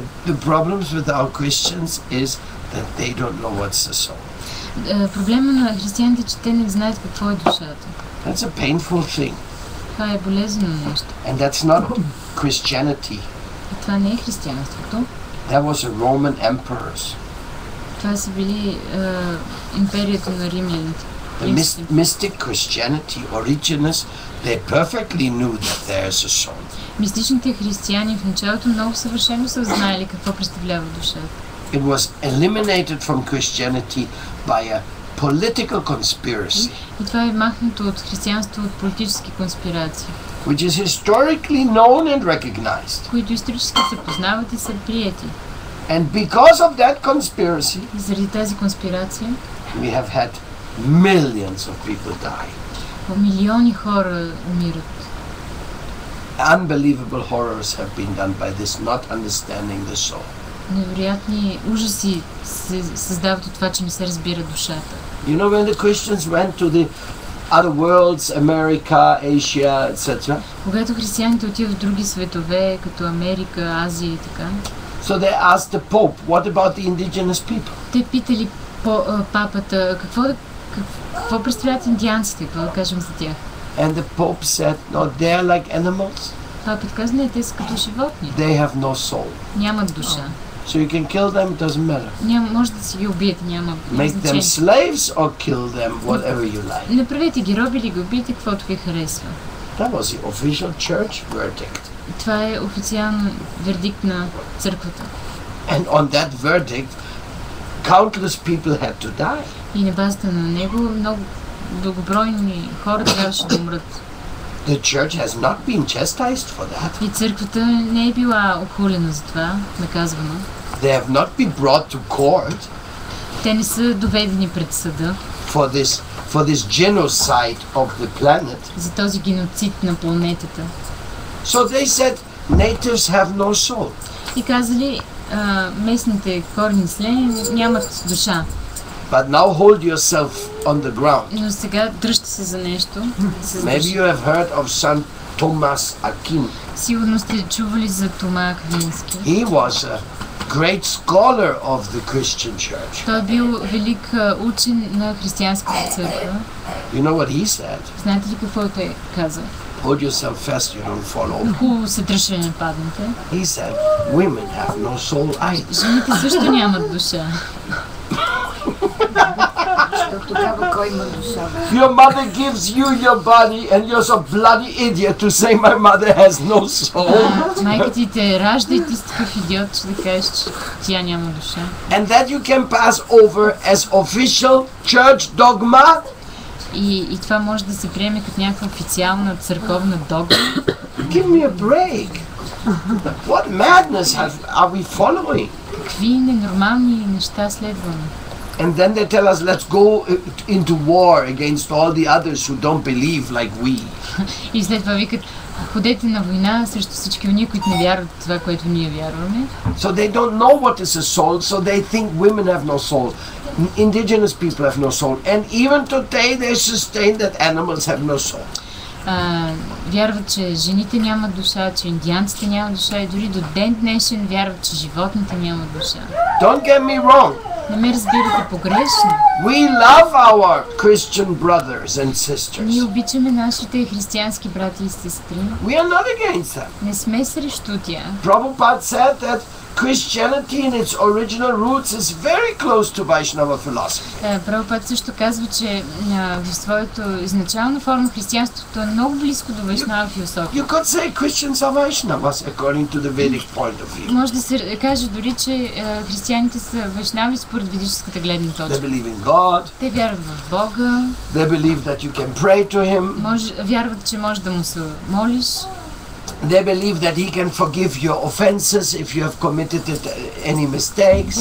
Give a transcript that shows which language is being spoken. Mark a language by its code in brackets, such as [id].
[en] The problems with our Christians is that they don't know what's the soul. [bg] Проблема на християните е, че те не знаят какво е душата. [en] That's a painful thing. [bg] Това е болезнено нещо. [en] And that's not Christianity. [bg] Това не е християнството. [en] That was a Roman emperors. [bg] Това са били империята на римляните. [en] The mystic Christianity, Origenes, they perfectly knew that there is a soul. [bg] Мистичните християни в началото много съвършено са знаели какво представлява душата. [en] It was eliminated from Christianity by a political conspiracy. [bg] И това е махнато от християнство от политически конспирации. [en] Which is historically known and recognized. [bg] Които исторически се познават и са приети. [en] And because of that conspiracy, [bg] заради тази конспирация, [en] we have had millions of people die. [bg] Милиони хора умират. [en] Unbelievable horrors have been done by this not understanding the soul. [bg] Невероятни ужаси се създават от това, че не се разбира душата. [en] You know when the Christians went to the other worlds, America, Asia, etc. [bg] Когато християните отиват в други светове, като Америка, Азия и така. [en] So they asked the Pope, what about the indigenous people? [bg] Те питали папата, какво представляват индианците, какво да кажем за тях? [en] And the Pope said, no, they are like animals. [bg] Папа каза, не, те са като животни. [en] They have no soul. [bg] Нямат душа. [en] So you can kill them, doesn't matter. [bg] Няма, може да си ги убиете, няма значение. [en] Make them slaves or kill them, whatever you like. [bg] Направете ги роби или ги убийте, каквото ви харесва. [en] That was the official church verdict. [bg] Това е официален вердикт на църквата. [en] And on that verdict, countless people had to die. [bg] И на базата на него много дългобройни хора трябваше да умрат. [en] The church has not been chastised for that. [bg] И църквата не е била охулена за това, наказвана. [en] They have not been brought to court. [bg] Те не са доведени пред съда. [en] For this genocide of the planet. [bg] За този геноцид на планетата. [en] So they said natives have no soul. [bg] И казали местните коренни селени нямат душа. [en] But now hold yourself on the ground. [bg] Но сега дръжте се за нещо. [en] Maybe you have heard of Saint Thomas Aquin. [bg] Сигурно сте чували за Тома Аквински. [en] He was a great scholar of the Christian church. [bg] Той бил велик учен на християнската църква. [en] You know what he said? [bg] Знаете ли какво той каза? [en] Hold yourself fast, you don't fall over. [bg] Но хубаво се дръжте, не паднете. [en] He said, women have no soul either. [bg] Жените също нямат душа. [en] Your mother gives you your body and you're so bloody idiot to say my mother has no soul. [bg] Майка ти те ражда и ти си такъв идиот, че да кажеш, че тя няма душа. [en] And that you can pass over as official church dogma. [bg] И това може да се приеме като някаква официална църковна догма. [en] Give me a break. What madness are we following? [bg] Какви ненормални неща следваме? [en] And then they tell us, let's go into war against all the others who don't believe like we. [bg] И след това викат, ходете на война срещу всички ние, които не вярват това, което ние вярваме. [en] So they don't know what is a soul, so they think women have no soul. Indigenous people have no soul. And even today they sustain that animals have no soul. [bg] Вярват, че жените нямат душа, че индианците нямат душа и дори до ден днешен вярват, че животните нямат душа. [en] Don't get me wrong. [bg] Не ме разбирате погрешно. [en] We love our Christian brothers and sisters. [bg] Ние обичаме нашите християнски брати и сестри. [en] We are not against them. [bg] Не сме срещу тях. [en] Prabhupada said that Christianity in its original roots is very close to Vaishnava philosophy. [bg] Prabhupada също казва, че в своето изначална форма християнството е много близко до Вайшнава философия. [en] You could say Christians are Vaishnavas according to the Vedic point of view. [bg] Може да се каже дори, че християните са Вайшнави според ведическата гледна точка. [en] They believe in God. [bg] Те вярват в Бога. [en] They believe that you can pray to him. [bg] Вярват, че може да му се молиш. [en] They believe that he can forgive your offenses if you have committed any mistakes.